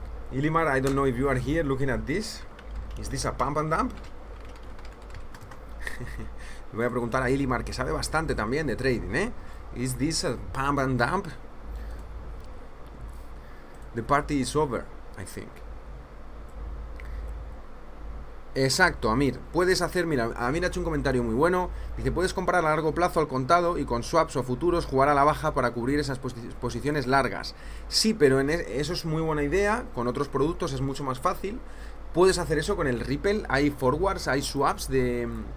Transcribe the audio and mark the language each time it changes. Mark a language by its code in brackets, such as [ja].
[en] Ilimar, I don't know if you are here looking at this. ¿Es this a pump and dump? [es] Le voy a preguntar a Ilimar, que sabe bastante también de trading, ¿eh? [en] ¿Is this a pump and dump? The party is over, I think. [es] Exacto, Amir. Puedes hacer, mira, Amir ha hecho un comentario muy bueno. Dice, puedes comprar a largo plazo al contado y con swaps o futuros jugar a la baja para cubrir esas posiciones largas. Sí, pero eso es muy buena idea. Con otros productos es mucho más fácil. Puedes hacer eso con el Ripple. Hay forwards, hay swaps de...